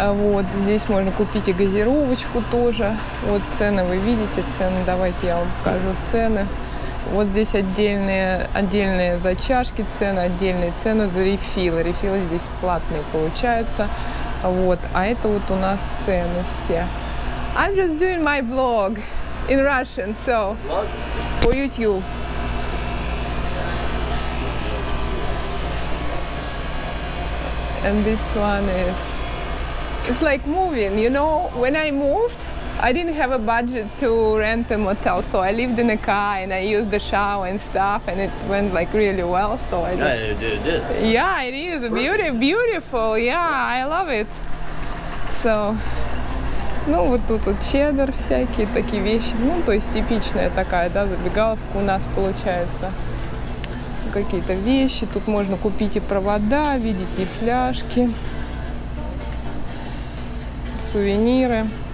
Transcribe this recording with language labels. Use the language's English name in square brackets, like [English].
[Russian] Вот, здесь можно купить и газировочку тоже. Вот цены, вы видите цены. Давайте я вам покажу цены. Вот здесь отдельные за чашки цены, отдельные цены за рефилы. Рефилы здесь платные получаются. Вот, а это вот у нас цены все. [English] I'm just doing my blog in Russian, so for YouTube. And this one is, it's like moving, you know, when I moved, I didn't have a budget to rent a motel, so I lived in a car and I used the shower and stuff and it went like really well, so I just... Yeah, it is. Yeah, it is. Beautiful, yeah, I love it. [Russian] So, ну, вот тут вот чеддер, всякие такие вещи, ну, то есть типичная такая, да, забегаловка у нас получается. Какие-то вещи, тут можно купить и провода, видите, и фляжки, сувениры.